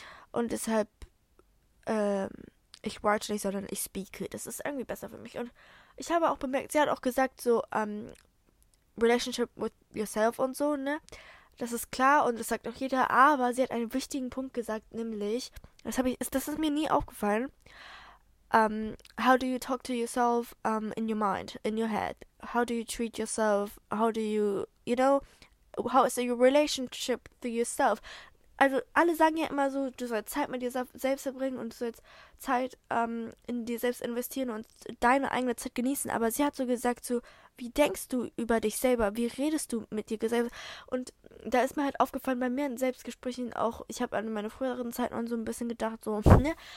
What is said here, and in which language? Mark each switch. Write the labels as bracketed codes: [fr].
[de] Und deshalb, ich write nicht, sondern ich speak. Das ist irgendwie besser für mich. Und ich habe auch bemerkt, sie hat auch gesagt, so, [en] Relationship with yourself [de] und so, ne? Das ist klar und das sagt auch jeder, aber sie hat einen wichtigen Punkt gesagt, nämlich, das ist mir nie aufgefallen. [en] How do you talk to yourself, in your mind, in your head? How do you treat yourself? How do you, you know, how is your relationship to yourself? [de] Also, alle sagen ja immer so, du sollst Zeit mit dir selbst verbringen und du sollst Zeit in dir selbst investieren und deine eigene Zeit genießen. Aber sie hat so gesagt, so, wie denkst du über dich selber? Wie redest du mit dir selbst? Und da ist mir halt aufgefallen, bei mir in Selbstgesprächen auch, ich habe an meine früheren Zeiten und so ein bisschen gedacht, so, ne?